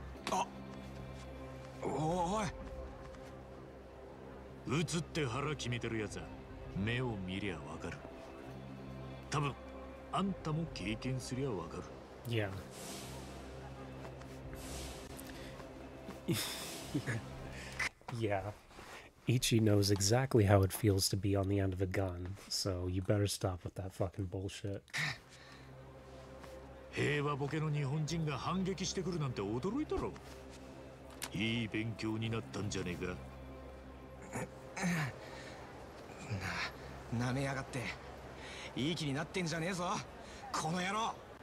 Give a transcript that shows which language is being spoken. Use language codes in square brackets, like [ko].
[ja] あ、おい、撃つって腹決めてるやつは目を見りゃわかる。多分あんたも経験すりゃわかる。 [en] いや、Ichi knows exactly how it feels to be on the end of a gun, so you better stop with that fucking bullshit. [ja] 平和ボケの日本人が反撃してくるなんて驚いたろ。いい勉強になったんじゃねえか。なめやがって、いい気になってんじゃねえぞこの野郎。